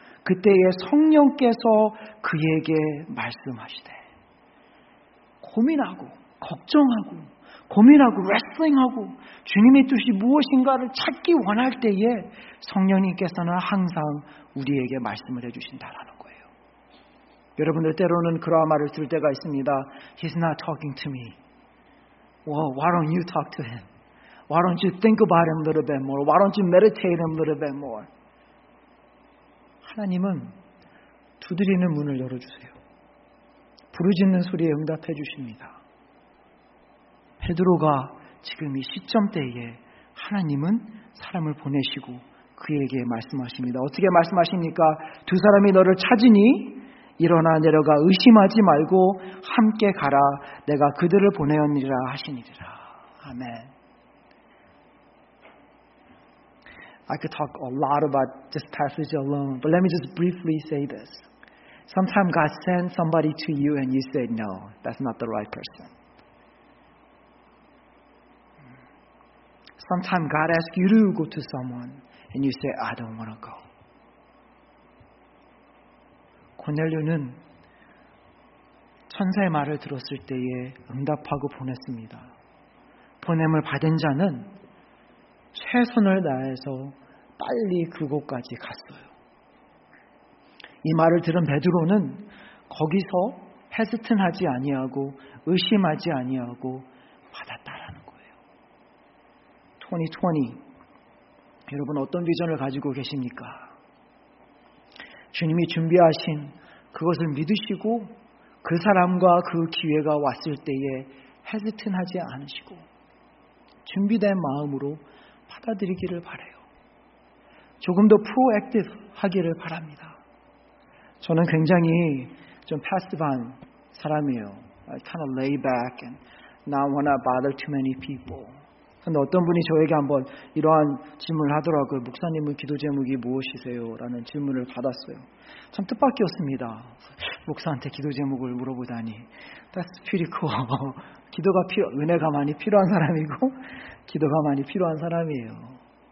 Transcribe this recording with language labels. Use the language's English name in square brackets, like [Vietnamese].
[Korean] 그때에 성령께서 그에게 말씀하시되 고민하고 걱정하고 고민하고 레슬링하고 주님의 뜻이 무엇인가를 찾기 원할 때에 성령님께서는 항상 우리에게 말씀을 해주신다라는 거예요. 여러분들 때로는 그러한 말을 들을 때가 있습니다. [English] He's not talking to me. Well, why don't you talk to him? Why don't you think about him a little bit more? Why don't you meditate him a little bit more? [Korean] 하나님은 두드리는 문을 열어주세요. 부르짖는 소리에 응답해 주십니다. 베드로가 지금 이 시점 때에 하나님은 사람을 보내시고 그에게 말씀하십니다. 어떻게 말씀하십니까? 두 사람이 너를 찾으니 일어나 내려가 의심하지 말고 함께 가라. 내가 그들을 보내었느니라 하시니라. 아멘. [English] I could talk a lot about this passage alone, but let me just briefly say this. Sometimes God sends somebody to you and you say, no, that's not the right person. Sometimes God asks you to go to someone and you say, I don't want to go. [Korean] 고넬료는 천사의 말을 들었을 때에 응답하고 보냈습니다. 보냄을 받은 자는 최선을 다해서 빨리 그곳까지 갔어요. 이 말을 들은 베드로는 거기서 헤스튼하지 아니하고 의심하지 아니하고 받았다라는 거예요. 2020, 여러분 어떤 비전을 가지고 계십니까? 주님이 준비하신 그것을 믿으시고 그 사람과 그 기회가 왔을 때에 헤스튼하지 않으시고 준비된 마음으로 받아들이기를 바라요. 조금 더 proactive 하기를 바랍니다. 저는 굉장히 좀 passive한 사람이에요. [English] I kind of lay back and not want to bother too many people. [Korean] 근데 어떤 분이 저에게 한번 이러한 질문을 하더라고요. 목사님은 기도 제목이 무엇이세요? 라는 질문을 받았어요. 참 뜻밖이었습니다. 목사한테 기도 제목을 물어보다니. [English] That's pretty cool. [Korean] 기도가 필요, 은혜가 많이 필요한 사람이고 기도가 많이 필요한 사람이에요.